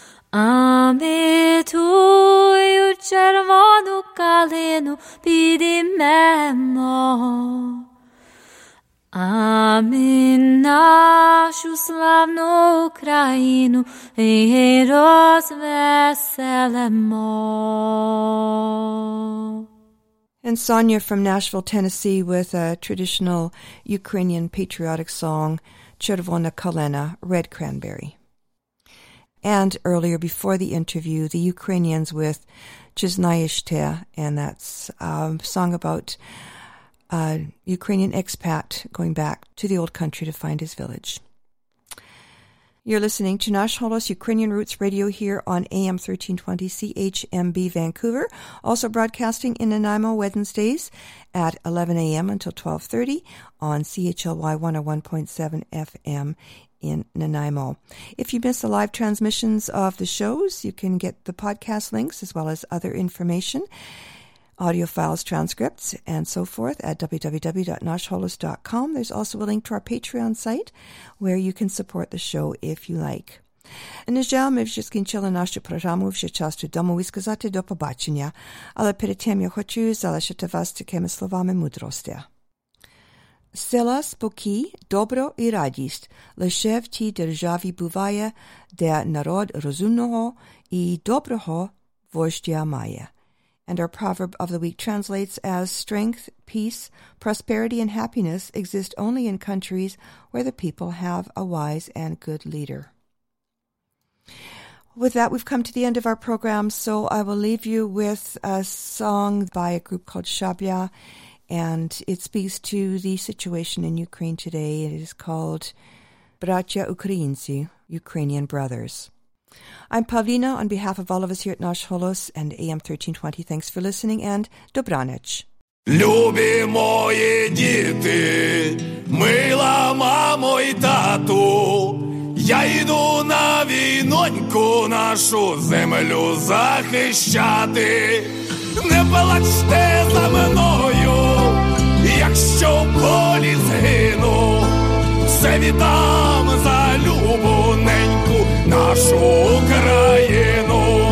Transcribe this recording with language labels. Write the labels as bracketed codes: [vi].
[uk] А ми тую червону калину підіймемо, а ми нашу славну Україну і розвеселимо. [en] And Sonia from Nashville, Tennessee, with a traditional Ukrainian patriotic song, Chervona Kolena, Red Cranberry. And earlier, before the interview, the Ukrainians with Chiznayishte, and that's a song about a Ukrainian expat going back to the old country to find his village. You're listening to Nash Holos Ukrainian Roots Radio here on AM 1320 CHMB Vancouver, also broadcasting in Nanaimo Wednesdays at 11 a.m. until 12:30 on CHLY 101.7 FM in Nanaimo. If you miss the live transmissions of the shows, you can get the podcast links as well as other information, audio files, transcripts, and so forth at www.noshholos.com. There's also a link to our Patreon site where you can support the show if you like. [uk] Нежам ми вже скінчили нашу програму, вже час додому і сказати до побачення. Але перед тим я хочу залишити вас такими словами мудрості. Села спокій, добро і радість лише в тій державі буває, де народ розумного і доброго вождя має. [en] And our proverb of the week translates as, strength, peace, prosperity, and happiness exist only in countries where the people have a wise and good leader. With that, we've come to the end of our program, so I will leave you with a song by a group called Shabya, and it speaks to the situation in Ukraine today. It is called Bratya Ukrainci, Ukrainian Brothers. I'm Pavlina on behalf of all of us here at Nash Holos and AM 1320. Thanks for listening and Dobranich. [uk] Любі мої діти, мила мамо і тату, я йду на війноньку нашу землю захищати. Не плачте за мною, якщо в полі згину, все віддам за любу неньку нашу Україну.